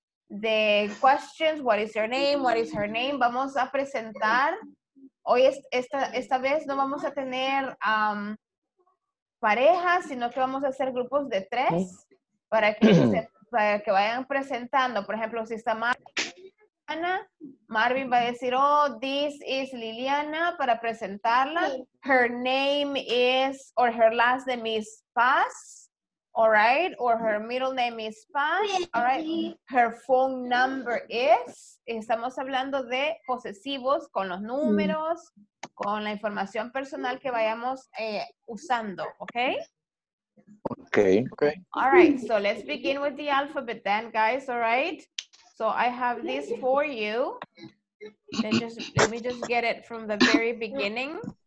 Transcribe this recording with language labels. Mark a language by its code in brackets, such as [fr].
[en] The questions, what is your name, what is her name? [es] Vamos a presentar. Hoy esta vez no vamos a tener parejas, sino que vamos a hacer grupos de tres para que para que vayan presentando. Por ejemplo, si está Mariana, Marvin va a decir, [en] oh, this is Liliana, [es] para presentarla. [en] Her name is, or her last name is Paz, all right? Or her middle name is Paz, all right? Her phone number is. [es] Estamos hablando de posesivos con los números, con la información personal que vayamos usando, okay? [en] Okay. Okay. All right. So let's begin with the alphabet then, guys. All right. So I have this for you. Let me just get it from the very beginning.